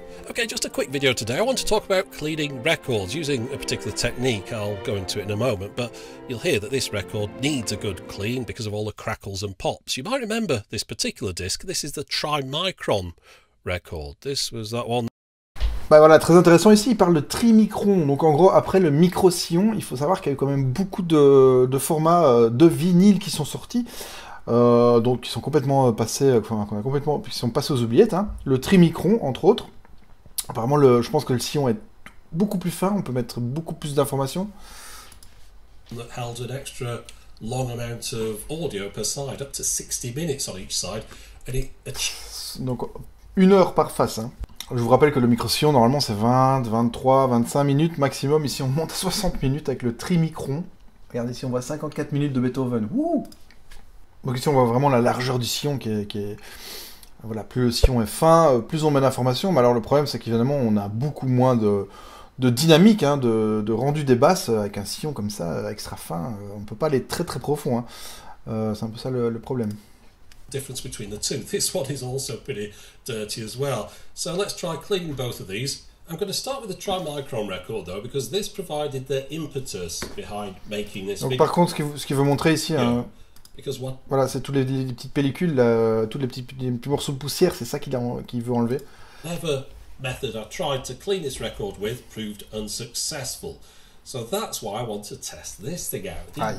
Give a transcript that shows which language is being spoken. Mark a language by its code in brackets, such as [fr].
[en] Okay, just a quick video today. I want to talk about cleaning records using a particular technique. I'll go into it in a moment, but you'll hear that this record needs a good clean because of all the crackles and pops. You might remember this particular disc. This is the Trimicron record. This was that one. [fr] Bah voilà, très intéressant ici, il parle de trimicron, donc en gros, après le micro-sillon, il faut savoir qu'il y a eu quand même beaucoup de formats de vinyle qui sont sortis, donc qui sont complètement passés, enfin, qui sont passés aux oubliettes, hein. Le trimicron, entre autres, apparemment, je pense que le sillon est beaucoup plus fin, on peut mettre beaucoup plus d'informations. [en] That held an extra long amount of audio per side, up to 60 minutes on each side, and it... [fr] Donc, une heure par face, hein. Je vous rappelle que le micro-sillon, normalement, c'est 20, 23, 25 minutes maximum. Ici, on monte à 60 minutes avec le trimicron. Regardez, ici, on voit 54 minutes de Beethoven. Wouh ! Donc ici, on voit vraiment la largeur du sillon qui est... Voilà, plus le sillon est fin, plus on met d'informations. Mais alors, le problème, c'est qu'évidemment, on a beaucoup moins de dynamique, hein, de rendu des basses avec un sillon comme ça, extra fin. On ne peut pas aller très, très profond. Hein. C'est un peu ça, le problème. [en] Difference between the two. This one is also pretty dirty as well. So let's try cleaning both of these. I'm going to start with the Trimicron record though, because this provided the impetus behind making this. [fr] Donc, par contre, ce qu'il veut montrer ici, voilà, c'est toutes les petites pellicules, toutes les petits morceaux de poussière, c'est ça qu'il veut enlever. [en] Never method I tried to clean this record with proved unsuccessful. So that's why I want to test this thing out.